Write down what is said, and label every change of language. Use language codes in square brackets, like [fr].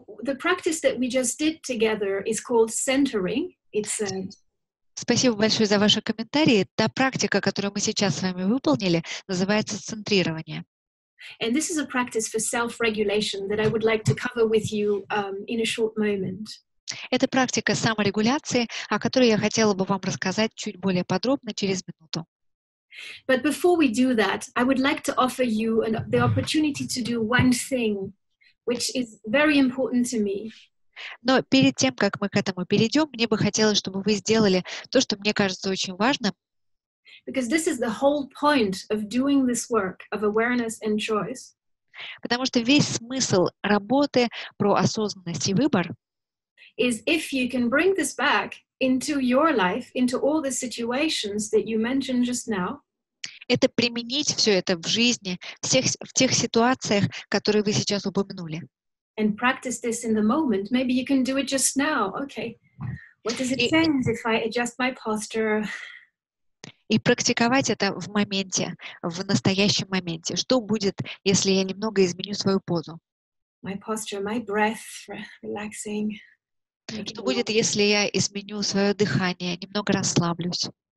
[en] The practice that we just did together is called centering. It's a... [ru] Спасибо большое за ваши комментарии. Та практика, которую мы сейчас с вами выполнили, называется центрирование. [en] And this is a practice for self-regulation that I would like to cover with you in a short moment. [ru] Это практика саморегуляции, о которой я хотела бы вам рассказать чуть более подробно через минуту. [en] But before we do that, I would like to offer you the opportunity to do one thing, which is very important to me. [ru] Но перед тем, как мы к этому перейдем, мне бы хотелось, чтобы вы сделали то, что мне кажется очень важным. [en] Because this is the whole point of doing this work of awareness and choice. [ru] Потому что весь смысл работы про осознанность и выбор. [en] Is if you can bring this back into your life, into all the situations that you mentioned just now. [ru] Это применить все это в жизни, в тех ситуациях, которые вы сейчас упомянули. [en] And practice this in the moment. Maybe you can do it just now. Okay. What does it sense if I adjust my posture? [ru] И практиковать это в моменте, в настоящем моменте. Что будет, если я немного изменю свою позу? [en] My posture, my breath, relaxing. [ru] Что будет, если я изменю свое дыхание, немного расслаблюсь?